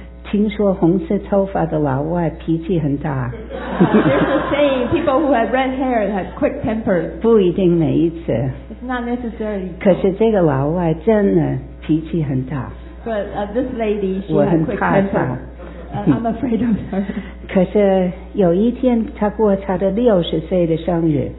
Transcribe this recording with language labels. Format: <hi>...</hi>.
<zh>听说红色头发的老外脾气很大。</zh> <en>There's a saying, people who have red hair have quick temper.</en> <zh>不一定每一次,</zh> <en>it's not necessary.</en> <zh>可是这个老外真的脾气很大。</zh> <en>But this lady, she had quick temper. I'm afraid of her.</en> <zh>可是有一天她过她的60岁的生日。</zh>